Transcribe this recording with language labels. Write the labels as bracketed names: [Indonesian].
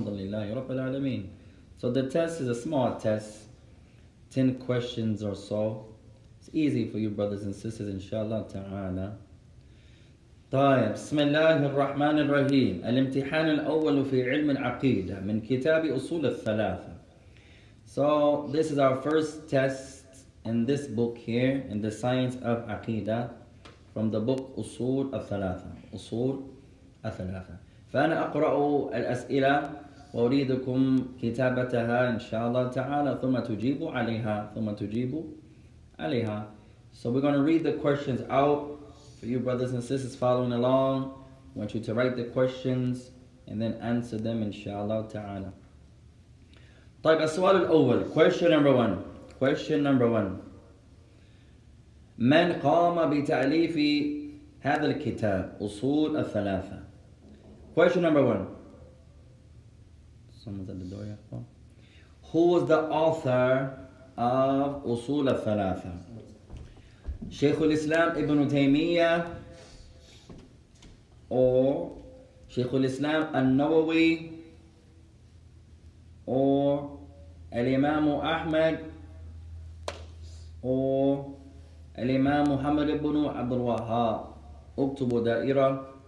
[English] So the test is a small test, 10 questions or so. It's easy for you brothers and sisters, inshallah ta'ala. [Arabic] طيب بسم الله الرحمن الرحيم الامتحان الأول في علم العقيدة من كتاب أصول الثلاثة. [English] So this is our first test in this book here in the science of عقيدة from the book أصول الثلاثة. [Arabic] أصول الثلاثة. فأنا أقرأ الأسئلة وأريدكم كتابتها إن شاء الله تعالى ثم تجيبوا عليها ثم تجيبوا عليها. [English] So we're gonna read the questions out. For you brothers and sisters following along, I want you to write the questions and then answer them inshallah ta'ala. [Arabic] طيب السؤال الأول, [English] question number one. [Arabic] من قام بتأليف هذا الكتاب أصول الثلاثة. [English] Question number one. Someone's at the door here. Who was the author of أصول الثلاثة? Shaykh al-Islam Ibn Taymiyyah or Shaykh al-Islam al-Nawawi or al-Imam Ahmad or al-Imam Muhammad Ibn Abdul Wahhab. [Arabic] Uktubu da'ira.